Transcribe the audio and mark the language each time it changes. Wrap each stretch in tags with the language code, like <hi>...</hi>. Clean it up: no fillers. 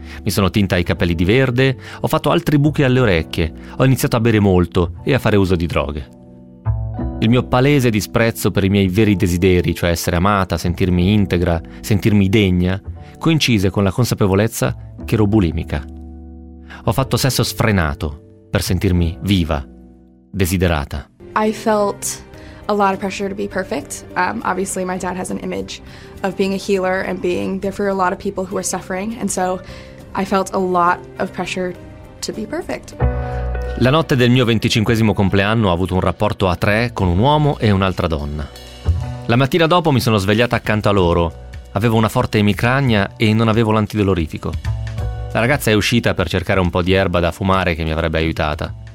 <it>Mi sono tinta i capelli di verde, ho fatto altri buchi alle orecchie, ho iniziato a bere molto e a fare uso di droghe. Il mio palese disprezzo per i miei veri desideri, cioè essere amata, sentirmi integra, sentirmi degna, coincise con la consapevolezza che ero bulimica. Ho fatto sesso sfrenato per sentirmi viva, desiderata.</it> <en>I felt a lot of pressure to be perfect. Obviously my dad has an image of being a healer and being there for a lot of people who are suffering, and so I felt a lot of pressure to be perfect.</en> <it>La notte del mio 25esimo compleanno ho avuto un rapporto a tre con un uomo e un'altra donna. La mattina dopo mi sono svegliata accanto a loro. Avevo una forte emicrania e non avevo l'antidolorifico. La ragazza è uscita per cercare un po' di erba da fumare che mi avrebbe aiutata.</it>